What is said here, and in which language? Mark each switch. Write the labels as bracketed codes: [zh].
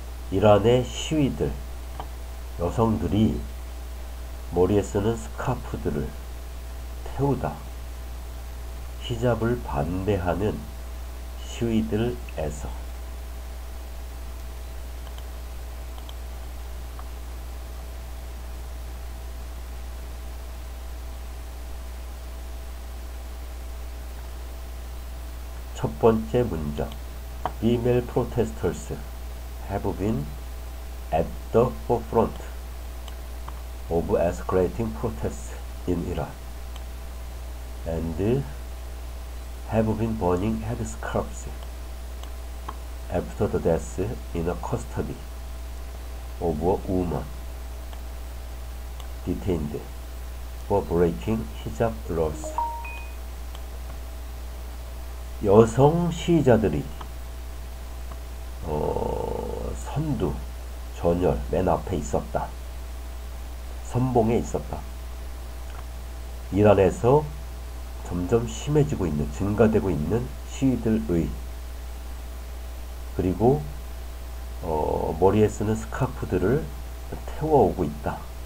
[ko] 이란의 시위들 여성들이 머리에 쓰는 스카프들을 태우다 히잡을 반대하는 시위들에서 첫 번째 문장. [en] Female protesters have been at the forefront of escalating protests in Iran and have been burning headscarves after the death in a custody of a woman detained for breaking hijab laws. [ko] 여성 시위자들이 선두 전열 맨 앞에 있었다. 선봉에 있었다. 이란에서 점점 심해지고 있는 증가되고 있는 시위들의 그리고 머리에 쓰는 스카프들을 태워오고 있다.